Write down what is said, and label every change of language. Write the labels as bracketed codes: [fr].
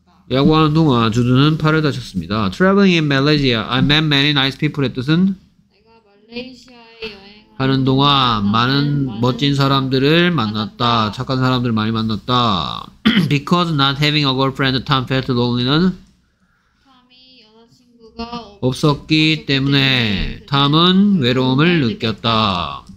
[ko] 야구하는 동안 주드는 팔을 다쳤습니다. [en] Traveling in Malaysia, I met many nice people [ko] 의 뜻은? 내가 말레이시아에 여행 하는 동안 많은 멋진 사람들을 만났다. 착한 사람들을 많이 만났다. [en] Because not having a girlfriend, Tom felt lonely는? [ko] 탐이 여자친구가 없었기 때문에 탐은 외로움을 느꼈다.